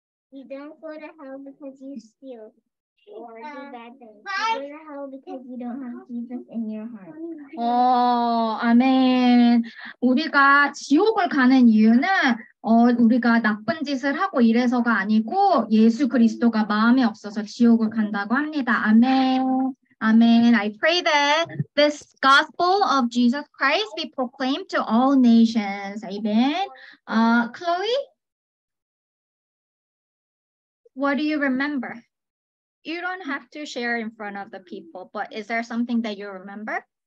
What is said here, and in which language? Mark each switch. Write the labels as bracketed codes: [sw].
[en] You don't go to hell because you steal or do bad things. You go to hell because you don't have Jesus in your heart. [ko] 아멘. 우리가 지옥을 가는 이유는 우리가 나쁜 짓을 하고 이래서가 아니고 예수 그리스도가 마음에 없어서 지옥을 간다고 합니다. 아멘. 아멘. [en] I pray that this gospel of Jesus Christ be proclaimed to all nations. [ko] 아멘. Chloe? [en] What do you remember? You don't have to share in front of the people, but is there something that you remember?